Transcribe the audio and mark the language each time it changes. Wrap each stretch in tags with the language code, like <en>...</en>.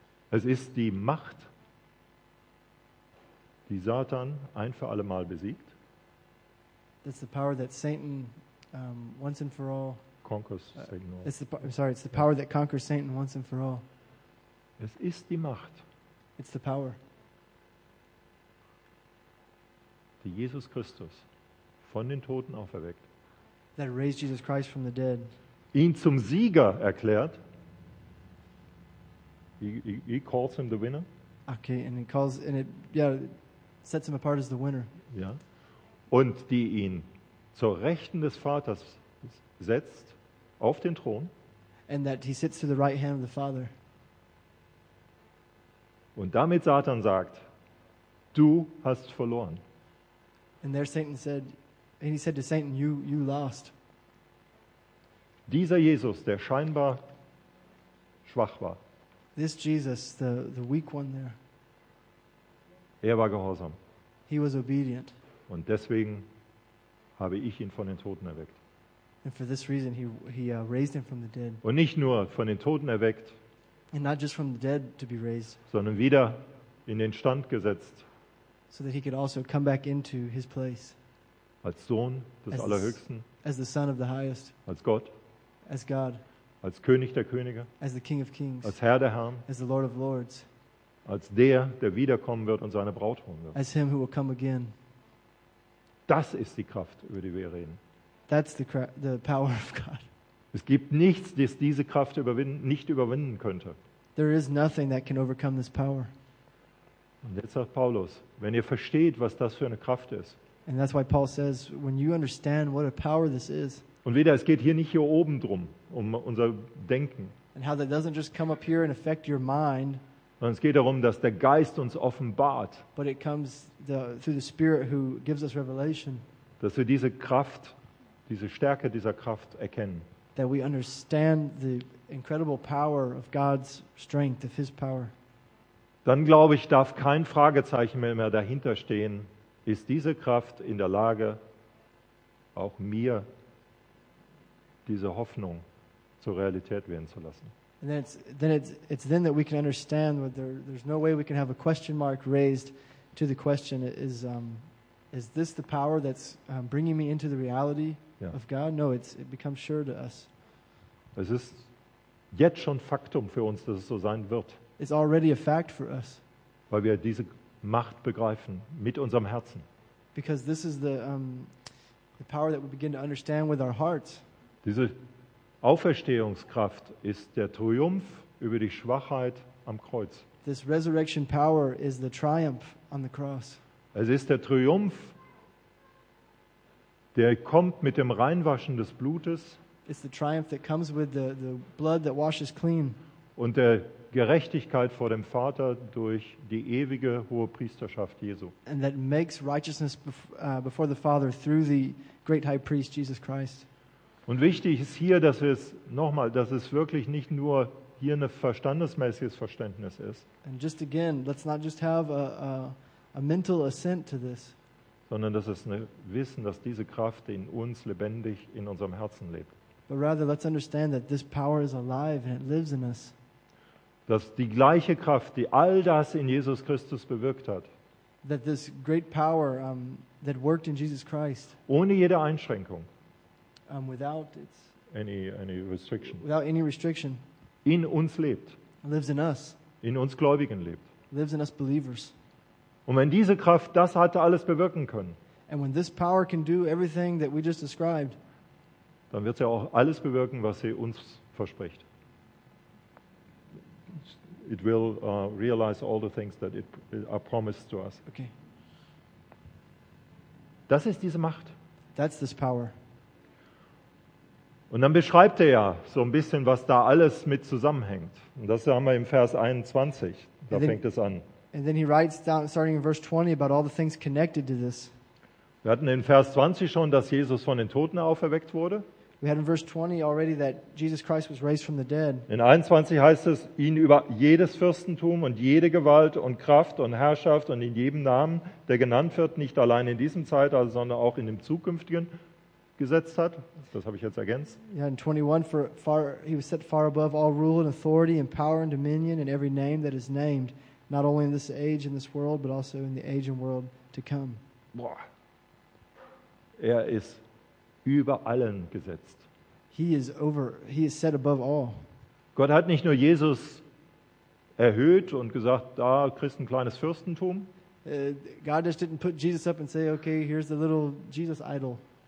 <de>Es ist die Macht, die Satan ein für alle Mal besiegt.</de> <en>That's the power that Satan once and for all conquers Satan. It's the power that conquers Satan once and for all.</en> <de>Es ist die Macht.</de> <en>It's the power.</en> <de>Die Jesus Christus von den Toten auferweckt.</de> <en>That raised Jesus Christ from the dead.</en> <de>Ihn zum Sieger erklärt.</de> <en>He calls him the winner. Okay, and he calls and it yeah sets him apart as the winner.</en> <de>Ja. Und die ihn zur Rechten des Vaters setzt auf den Thron.</de> <en>And that he sits to the right hand of the Father.</en> <de>Und damit Satan sagt, du hast verloren.</de> <en>And there Satan said, and he said to Satan, you lost.</en> <de>Dieser Jesus, der scheinbar schwach war.</de> <en>This Jesus, the weak one there.</en> <de>Er war gehorsam.</de> <en>He was obedient.</en> <de>Und deswegen habe ich ihn von den Toten erweckt.</de> <en>And for this reason he raised him from the dead.</en> <de>Und nicht nur von den Toten erweckt.</de> <en>And not just from the dead to be raised.</en> <de>Sondern wieder in den Stand gesetzt.</de> <en>So that he could also come back into his place.</en> <de>Als Sohn des Allerhöchsten.</de> <en>As the Son of the Highest.</en> <de>Als Gott.</de> <en>As God.</en> <de>Als König der Könige.</de> <en>As the King of Kings.</en> <de>Als Herr der Herren.</de> <en>As the Lord of Lords.</en> <de>Als der, der wiederkommen wird und seine Braut holen wird.</de> <en>As him who will come again.</en> <de>Das ist die Kraft, über die wir reden.</de> <en>That's the power of God.</en> <de>Es gibt nichts, das diese Kraft nicht überwinden könnte.</de> <en>There is nothing that can overcome this power.</en> <de>Und jetzt sagt Paulus, wenn ihr versteht, was das für eine Kraft ist.</de> <en>And that's why Paul says, when you understand what a power this is.</en> <de>Und wieder, es geht hier nicht hier oben drum, um unser Denken.</de> <en>And how that doesn't just come up here and affect your mind.</en> <de>Sondern es geht darum, dass der Geist uns offenbart.</de> <en>But it comes through the Spirit who gives us revelation.</en> <de>Dass wir diese Kraft, diese Stärke dieser Kraft erkennen.</de> <en>That we understand the incredible power of God's strength, of his power.</en> <de>Dann glaube ich, darf kein Fragezeichen mehr dahinter stehen. Ist diese Kraft in der Lage, auch mir diese Hoffnung zur Realität werden zu lassen?</de> <en>And then that we can understand that there's no way we can have a question mark raised to the question is this the power that's bringing me into the reality of God? No, it becomes sure to us.</en> <de>Es ist jetzt schon Faktum für uns, dass es so sein wird.</de> <en>It's already a fact for us.</en> <de>Weil wir diese Macht begreifen mit unserem Herzen.</de> <en>Because this is the power that we begin to understand with our hearts.</en> <de>Diese Auferstehungskraft ist der Triumph über die Schwachheit am Kreuz.</de> <en>This resurrection power is the triumph on the cross.</en> <de>Es ist der Triumph, der kommt mit dem Reinwaschen des Blutes.</de> <en>It's the triumph that comes with the blood that washes clean.</en> <de>Und der Gerechtigkeit vor dem Vater durch die ewige hohe Priesterschaft Jesu.</de> <en>And that makes righteousness before the Father through the great high priest Jesus Christ.</en> <de>Und wichtig ist hier, dass es nochmal, dass es wirklich nicht nur hier ein verstandesmäßiges Verständnis ist.</de> <en>And just again, let's not just have a mental assent to this.</en> <de>Sondern dass es ein Wissen, dass diese Kraft in uns lebendig in unserem Herzen lebt.</de> <en>But rather, let's understand that this power is alive and it lives in us.</en> <de>Dass die gleiche Kraft, die all das in Jesus Christus bewirkt hat,</de> <en>that this great power that worked in Jesus Christ,</en> <de>ohne jede Einschränkung,</de> <en>without its, any restriction, without any restriction,</en> <de>in uns lebt,</de> <en>lives in us,</en> <de>in uns Gläubigen lebt,</de> <en>lives in us believers.</en> <de>Und wenn diese Kraft das hatte alles bewirken können,</de> <en>and when this power can do everything that we just described,</en> <de>dann wird sie auch alles bewirken, was sie uns verspricht.</de> <en>It will realize all the things that it are promised to us. Okay.</en> <de>Das ist diese Macht.</de> <en>That's this power.</en> <de>Und dann beschreibt er ja so ein bisschen, was da alles mit zusammenhängt. Und das haben wir im Vers 21. Da fängt es an.</de> <en>And then he writes down, starting in verse 20, about all the things connected to this.</en> <de>Wir hatten in Vers 20 schon, dass Jesus von den Toten auferweckt wurde.</de> <en>We had in verse 20 already that Jesus Christ was raised from the dead.</en> <de>In 21 heißt es, ihn über jedes Fürstentum und jede Gewalt und Kraft und Herrschaft und in jedem Namen, der genannt wird, nicht allein in diesem Zeitalter, sondern auch in dem zukünftigen, gesetzt hat. Das habe ich jetzt ergänzt.</de> <en>Yeah, in 21, he was set far above all rule and authority and power and dominion and every name that is named, not only in this age and this world, but also in the age and world to come.</en> <de>Boah. Er ist über allen gesetzt.</de> <en>He is set above all.</en> <de>Gott hat nicht nur Jesus erhöht und gesagt, da kriegst ein kleines Fürstentum.</de> <en>God just didn't put Jesus up and say, okay, here's the little Jesus idol.</en>